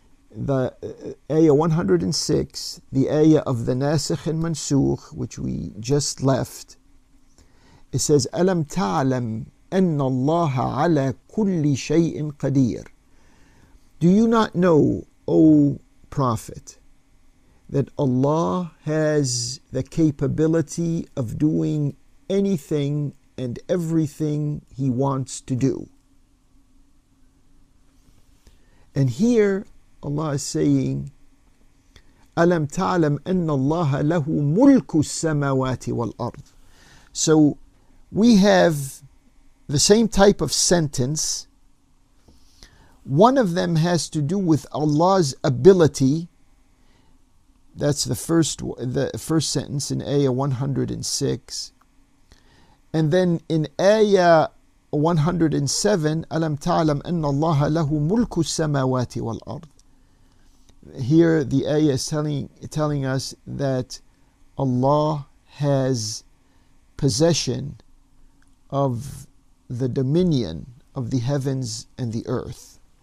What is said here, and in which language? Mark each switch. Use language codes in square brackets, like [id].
[en] The ayah 106, the ayah of the nasikh and mansukh, which we just left, it says, [ar] أَلَمْ تَعْلَمْ أَنَّ اللَّهَ عَلَى كُلِّ شَيْءٍ قَدِيرٍ. [en] Do you not know, O Prophet, that Allah has the capability of doing anything and everything He wants to do? And here Allah is saying, [ar] أَلَمْ تَعْلَمْ أَنَّ اللَّهَ لَهُ مُلْكُ السَّمَاوَاتِ وَالْأَرْضِ. [en] So we have the same type of sentence. One of them has to do with Allah's ability. That's the first sentence in ayah 106. And then in ayah 107, [ar] أَلَمْ تَعْلَمْ أَنَّ اللَّهَ لَهُ مُلْكُ السَّمَاوَاتِ وَالْأَرْضِ. [en] Here the ayah is telling us that Allah has possession of the dominion of the heavens and the earth.